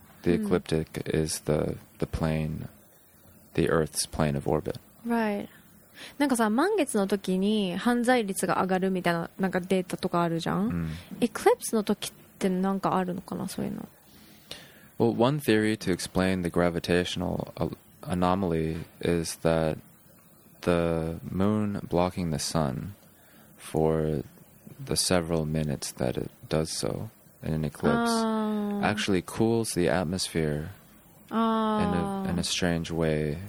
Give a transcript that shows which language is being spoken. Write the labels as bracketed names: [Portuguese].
[English] The ecliptic is the plane, the Earth's plane of orbit. Right. [Japanese] なんかさ、満月の時に犯罪率が上がるみたいな、なんかデータとかあるじゃん。 Eclipse の時ってなんかあるのかな、そういうの。 [English] Well, one theory to explain the gravitational anomaly is that the moon blocking the sun for the several minutes that it does so in an eclipse actually cools the atmosphere in a strange way,